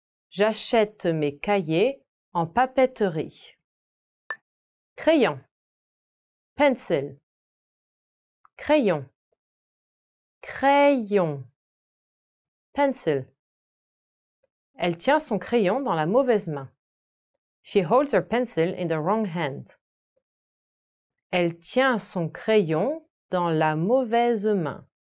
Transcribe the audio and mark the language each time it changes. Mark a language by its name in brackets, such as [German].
[French] J'achète mes cahiers en papeterie. Crayon. Pencil. Crayon. Crayon. Pencil. Elle tient son crayon dans la mauvaise main. [English] She holds her pencil in the wrong hand. [French] Elle tient son crayon dans la mauvaise main.